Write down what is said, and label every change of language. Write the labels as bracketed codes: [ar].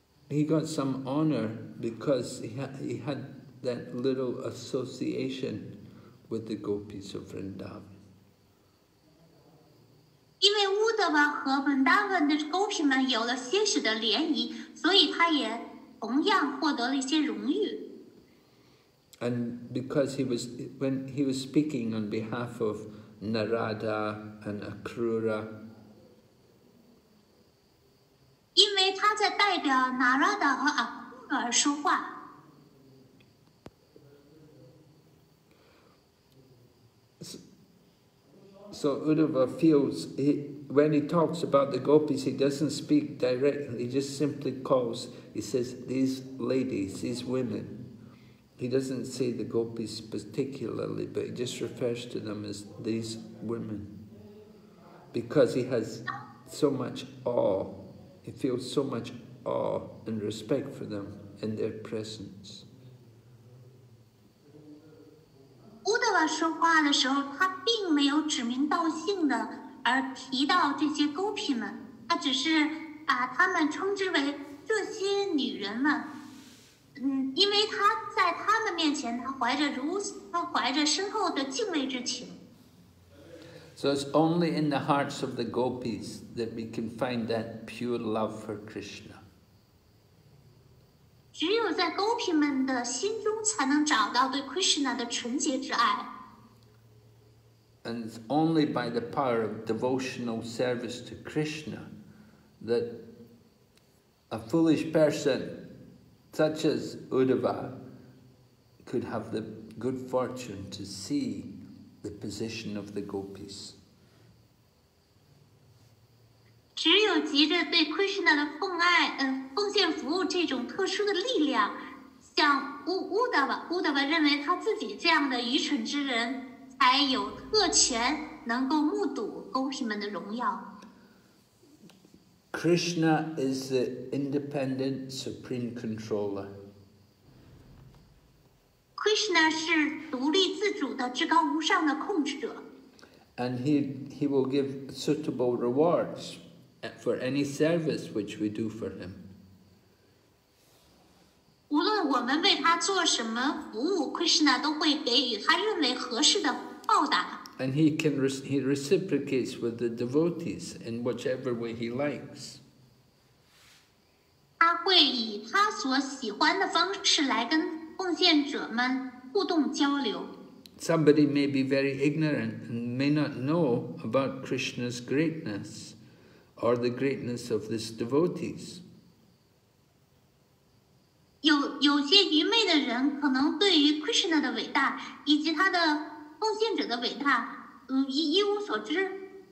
[en] He got some honor because he had that little association with the gopis of Vrindavan. [zh] 因为乌德瓦和文达文的狗皮们有了些许的联谊，所以他也同样获得了一些荣誉。 [en] And because when he was speaking on behalf of Narada and Akrura, [zh] 因为他在代表 Narada 和 Akrura 说话。 [en] So Uddhava feels, when he talks about the gopis, he doesn't speak directly, he just simply calls, he says, these ladies, these women. He doesn't say the gopis particularly, but he just refers to them as these women. Because he has so much awe, he feels so much awe and respect for them in their presence. [zh] 乌德瓦说话的时候，他并没有指名道姓的而提到这些勾皮们，他只是把他们称之为这些女人们。嗯，因为他在他们面前，他怀着深厚的敬畏之情。 [en] So it's only in the hearts of the gopis that we can find that pure love for Krishna. [zh] 只有在勾皮们的心中才能找到对 Krishna 的纯洁之爱。 [en] And it's only by the power of devotional service to Krishna that a foolish person such as Uddhava could have the good fortune to see the position of the gopis. [zh] 只有急着对 Krishna 的奉爱奉献服务这种特殊的力量，像乌达瓦认为他自己这样的愚蠢之人才有特权能够目睹勾皮们的荣耀。 [en] Krishna is the independent supreme controller. [zh] Krishna 是独立自主的至高无上的控制者。 [en] And he will give suitable rewards for any service which we do for him. [zh] 无论我们为他做什么服务 ，Krishna 都会给予他认为合适的报答。 [en] And he reciprocates with the devotees in whichever way he likes. [zh] 他会以他所喜欢的方式来跟奉献者们互动交流。 [en] Somebody may be very ignorant and may not know about Krishna's greatness or the greatness of these devotees. [zh] 有些愚昧的人可能对于 Krishna 的伟大以及他的奉献者的伟大一无所知。